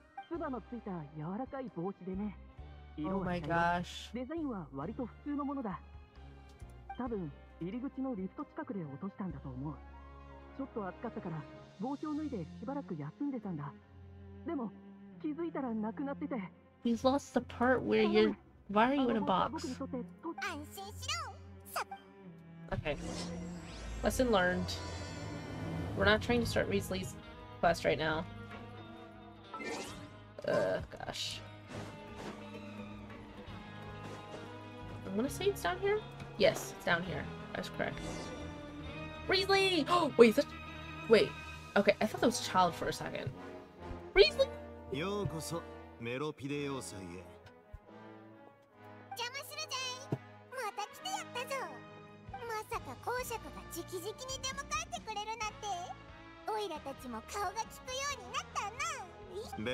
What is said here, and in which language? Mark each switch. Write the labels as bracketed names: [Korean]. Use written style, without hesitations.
[Japanese] 唾のついた柔らかい帽子でね。色は茶色、デザインは割と普通のものだ。多分入り口のリフト近くで落としたんだと思う。ちょっと暑かったから帽子を脱いでしばらく休んでたんだ。でも気づいたらなくなってて。 [English] He's lost the part where you're why are you in a box? [Japanese] 安心しろ。 [English] Okay. Lesson learned. We're not trying to start Weasley's quest right now. Gosh. I'm gonna say it's down here? Yes, it's down here. That's correct. Weasley! Oh, wait, is that... Wait. Okay, I thought that was a child for a second. Weasley! [Japanese] ようこそ、メロピデ要塞へ。邪魔するぜ。また来てやったぞ。まさか公爵が直々に出迎えてくれるなんて。オイラたちも顔が利くようになったな。